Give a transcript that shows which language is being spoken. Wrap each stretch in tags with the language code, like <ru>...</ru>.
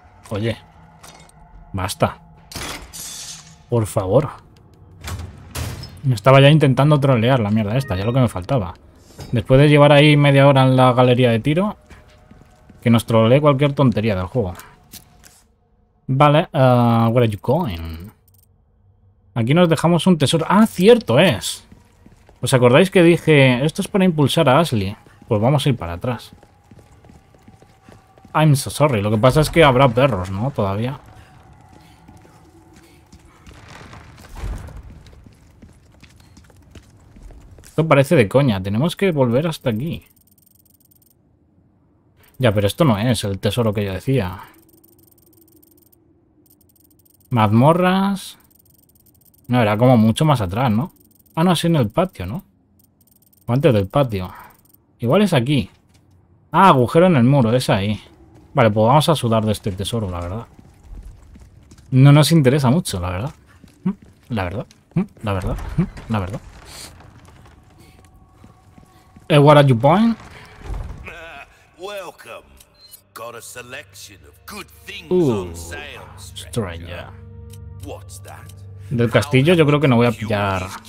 <es>Oye. Basta. Por favor. Me estaba ya intentando trolear la mierda esta, ya lo que me faltaba. Después de llevar ahí media hora en la galería de tiro, que nos trolee cualquier tontería del juego. Vale,</es> <en>where are you going?</en> <es>Aquí nos dejamos un tesoro. ¡Ah, cierto es! ¿Os acordáis que dije, esto es para impulsar a Ashley? Pues vamos a ir para atrás.</es> <en>I'm so sorry,</en> <es>lo que pasa es que habrá perros, ¿no? Todavía. Esto parece de coña, tenemos que volver hasta aquí. Ya, pero esto no es el tesoro que yo decía. Mazmorras. No, era como mucho más atrás, ¿no? Ah, no, es en el patio, ¿no? O antes del patio. Igual es aquí. Ah, agujero en el muro, es ahí. Vale, pues vamos a sudar de este tesoro, la verdad. No nos interesa mucho, la verdad. La verdad. La verdad. La verdad.</es> <en>What are you buying? Welcome. Got a selection of good things on sale, stranger. What's that?</en> <es>Del castillo, yo creo que no voy a pillar.</es>